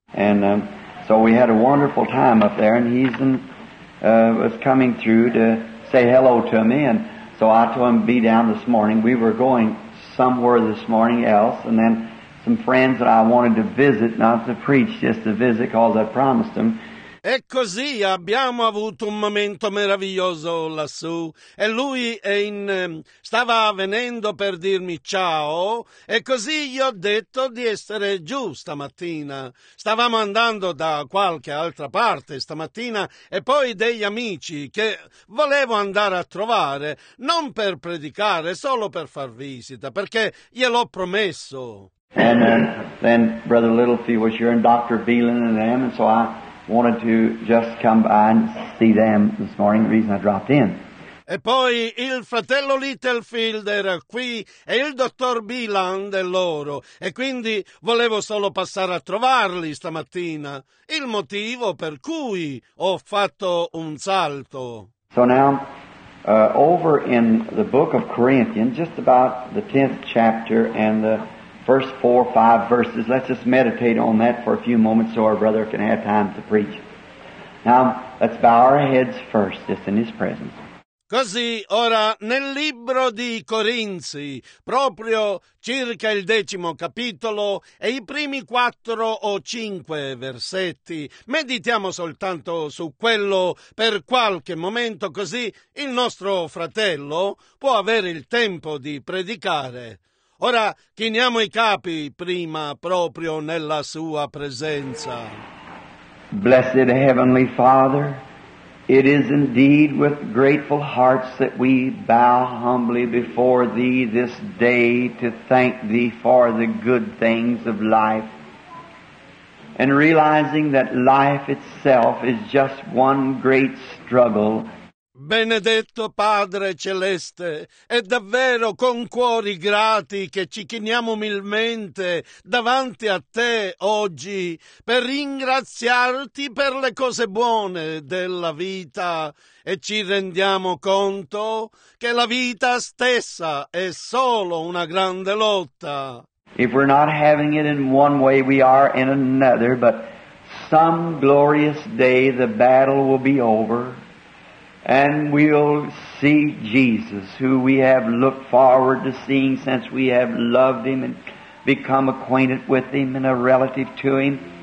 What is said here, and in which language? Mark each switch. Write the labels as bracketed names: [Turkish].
[English] And so we had a wonderful time up there, and he's was coming through to say hello to me, and so I told him to be down this morning. We were going somewhere this morning else, and then some friends that I wanted to visit, not to preach, just to visit, because I promised them. [Italian] E così abbiamo avuto un momento meraviglioso lassù e lui stava venendo per dirmi ciao e così gli ho detto di essere giù stamattina. Stavamo andando da qualche altra parte stamattina e poi degli amici che volevo andare a trovare, non per predicare, solo per far visita, perché gliel'ho promesso. [English] And then Brother Littlefield was here and Dr. Beelan and them, and so I wanted to just come by and see them this morning, the reason I dropped in. [Italian] E poi il fratello Littlefield era qui e il dottor Beeland e loro, e quindi volevo solo passare a trovarli stamattina, il motivo per cui ho fatto un salto. [English] So now, over in the book of Corinthians, just about the 10th chapter and the first 4 or 5 verses, let's just meditate on that for a few moments so our brother can have time to preach. Now, let's bow our heads first, just in his presence. [Italian] Così, ora, nel libro di Corinzi, proprio circa il 10° capitolo e i primi 4 o 5 versetti, meditiamo soltanto su quello per qualche momento, così il nostro fratello può avere il tempo di predicare. Ora chiniamo i capi prima proprio nella sua presenza. [English] Blessed Heavenly Father, it is indeed with grateful hearts that we bow humbly before Thee this day to thank Thee for the good things of life, and realizing that life itself is just one great struggle. [Italian] Benedetto Padre Celeste, è davvero con cuori grati che ci chiniamo umilmente davanti a te oggi per ringraziarti per le cose buone della vita e ci rendiamo conto che la vita stessa è solo una grande lotta. [English] If we're not having it in one way, we are in another, but some glorious day the battle will be over. And we'll see Jesus, who we have looked forward to seeing since we have loved Him and become acquainted with Him and a relative to Him.